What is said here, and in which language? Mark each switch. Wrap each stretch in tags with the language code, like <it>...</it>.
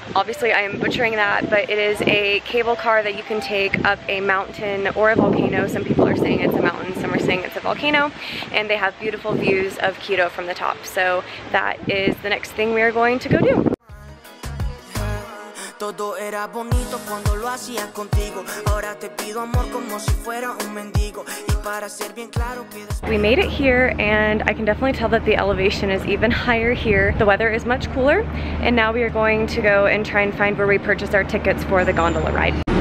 <en>Obviously I am butchering that, but it is a cable car that you can take up a mountain or a volcano. Some people are saying it's a mountain, some are saying it's a volcano, and they have beautiful views of Quito from the top. So that is the next thing we are going to go do.</en> <es>Todo era bonito cuando lo hacía contigo. Ahora te pido amor como si fuera un mendigo. Y para ser bien claro que después...</es> <en>We made it here, and I can definitely tell that the elevation is even higher here. The weather is much cooler, and now we are going to go and try and find where we purchase our tickets for the gondola ride.</en>